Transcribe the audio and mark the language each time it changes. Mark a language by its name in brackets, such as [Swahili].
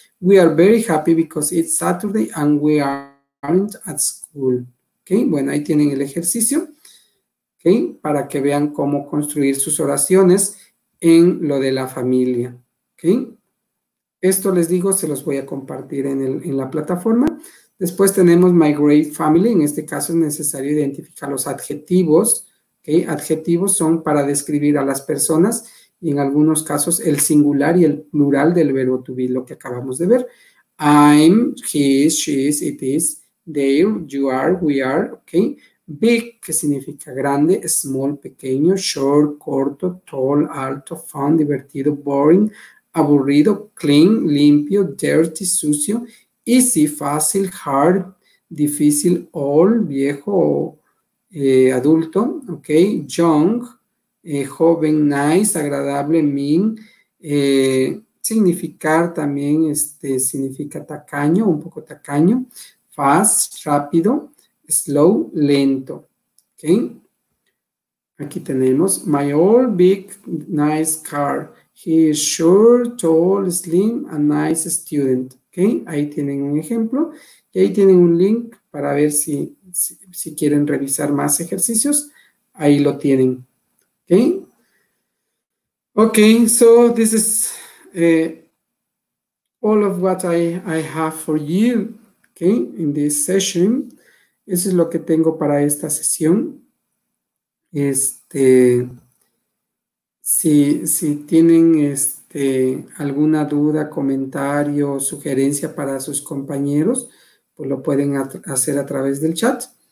[English] We are very happy because it's Saturday and we aren't at school. [Spanish] Okay, bueno, ahí tienen el ejercicio. Okay, para que vean cómo construir sus oraciones en lo de la familia, ¿ok? Esto les digo, se los voy a compartir en la plataforma. Después tenemos my great family. En este caso es necesario identificar los adjetivos, ¿ok? Adjetivos son para describir a las personas y en algunos casos el singular y el plural del verbo to be, lo que acabamos de ver. [English] I'm, he's, she's, it is, they're, you are, we are, ¿ok? [Spanish] Big, que significa grande, small, pequeño, short, corto, tall, alto, fun, divertido, boring, aburrido, clean, limpio, dirty, sucio, easy, fácil, hard, difícil, old, viejo, adulto, ok, young, joven, nice, agradable, mean, significar también, significa tacaño, un poco tacaño, fast, rápido, slow, lento, ¿ok? Aquí tenemos, [English] my old big nice car, he is short, tall, slim, a nice student, ¿ok? [Spanish] Ahí tienen un ejemplo, y ahí tienen un link para ver si quieren revisar más ejercicios, ahí lo tienen, ¿ok? [English] Ok, so this is all of what I have for you, ¿ok? In this session. [Spanish] Eso es lo que tengo para esta sesión. Si tienen alguna duda, comentario, sugerencia para sus compañeros, pues lo pueden hacer a través del chat.